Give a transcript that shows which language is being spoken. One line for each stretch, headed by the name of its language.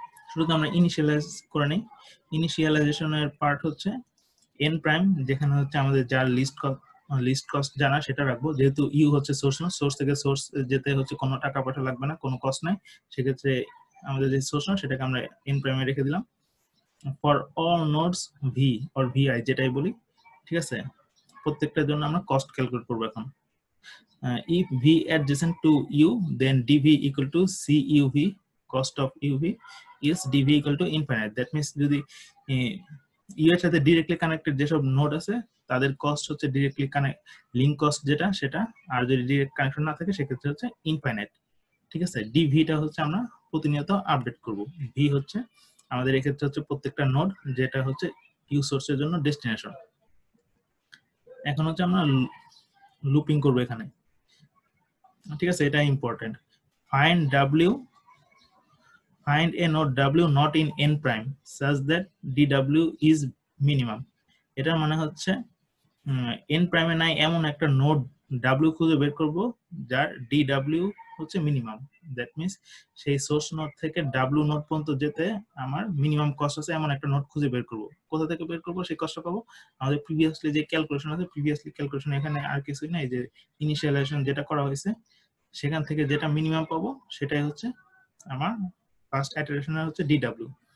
Bangla: শুরুতে আমরা ইনিশিয়ালাইজ করে নিই। ইনিশিয়ালাইজেশনের পার্ট হচ্ছে এন প্রাইম, যেখানে হচ্ছে আমাদের যার লিস্ট কস্ট জানা সেটা রাখবো, যেহেতু ইউ হচ্ছে সোর্স নোড, সোর্স থেকে সোর্স যেতে হচ্ছে কোনো টাকা পয়সা লাগবে না, কোনো কস্ট নাই, সেক্ষেত্রে আমাদের যে সোর্স নোড সেটাকে আমরা এন প্রাইমে রেখে দিলাম। For all nodes V or V I যেটাই বলি, ঠিক আছে, প্রত্যেকটার জন্য আমরা কস্ট ক্যালকুলেট করবো এখন।
English: If V adjacent to U, then DV equal to CUV, cost of UV is DV equal to infinite. That means
Bangla: যদি U এর সাথে directly connected যেসব node আছে তাদের cost হচ্ছে directly connect link cost যেটা সেটা, আর যদি direct connection না থাকে সেক্ষেত্রে হচ্ছে infinite. ঠিক আছে, DV টা হচ্ছে আমরা প্রতিনিয়ত আপডেট করব. V হচ্ছে আমাদের এক্ষেত্রে হচ্ছে প্রত্যেকটা নোড যেটা হচ্ছে U source এর জন্য destination. এখন হচ্ছে আমরা looping করব এখানে. ঠিক আছে, এটা important.
English: Find a node W not in n prime such that DW is minimum.
Bangla: এটা মানে হচ্ছে n prime এ নাই এমন একটা নোড W খুঁজে বের করব যার DW হচ্ছে মিনিমাম.
English: That means
Bangla: সেই সোর্স নোড থেকে W নোড পর্যন্ত যেতে আমার মিনিমাম কস্ট আছে এমন একটা নোড খুঁজে বের করব. কোথা থেকে বের করব সেই কস্ট পাবো? আমাদের প্রিভিয়াসলি যে ক্যালকুলেশন আছে, প্রিভিয়াসলি ক্যালকুলেশন এখানে আর কিছুই নাই, যে ইনিশিয়ালাইজেশন যেটা করা হয়েছে সেখান থেকে যেটা মিনিমাম পাবো সেটাই হচ্ছে আমার ফার্স্ট আইটারেশন হচ্ছে DW.